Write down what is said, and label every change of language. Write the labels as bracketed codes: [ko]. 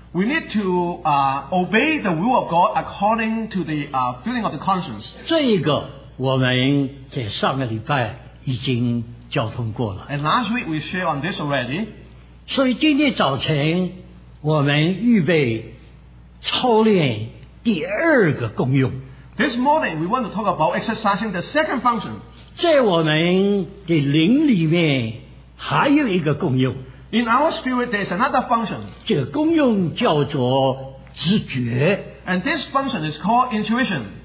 [en] We need to obey the will of God according to the feeling of the conscience. [zh] 这一个我们在上个礼拜已经交通过了。 [en] And last week we shared on this already. [zh] 所以今天早晨我们预备操练第二个功用。 [en] This morning we want to talk about exercising the second function. [zh] 在我们的灵里面还有一个功用。 [en] In our spirit there is another function. [zh] 这个功用叫做知觉。 [en] And this function is called intuition.